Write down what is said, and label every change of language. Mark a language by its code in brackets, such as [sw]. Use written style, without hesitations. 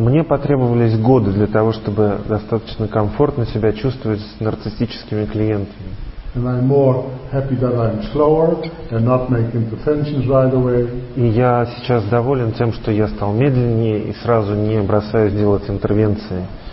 [ru] Мне потребовались годы для того, чтобы достаточно комфортно себя чувствовать с нарциссическими клиентами. [en] And I'm more happy that I'm slower and not making pretensions right away. [ru] И я сейчас доволен тем, что я стал медленнее и сразу не бросаюсь делать интервенции.